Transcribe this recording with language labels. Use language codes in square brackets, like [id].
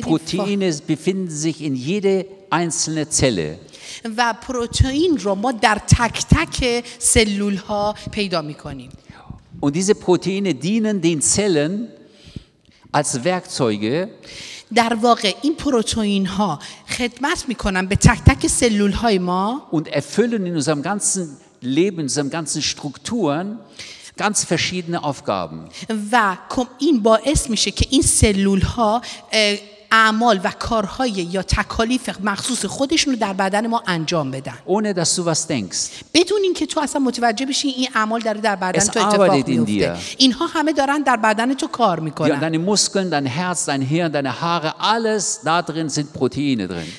[de] Proteine befinden sich in jede einzelne Zelle. [fa] و پروتئین رو ما در تک تک سلول ها پیدا می کنیم. [de] Und diese Proteine dienen den Zellen als Werkzeuge. [fa] در واقع این پروتئین ها خدمت می کنن به تک تک سلول های ما. [de] Und erfüllen in unserem ganzen Leben, in unseren ganzen Strukturen ganz verschiedene Aufgaben. [fa] و این باعث میشه که این سلول ها اعمال و کارهای یا تکالیف مخصوص خودشون رو در بدن ما انجام بدن. [de] Ohne dass du was denkst. [fa] بدون اینکه تو اصلا متوجه بشی این اعمال داره در بدن تو اتفاق میفته. اینها همه دارن در بدن تو کار میکنن. [de] Deine Muskeln, dein Herz, dein Hirn, deine Haare, alles da drin sind Proteine drin.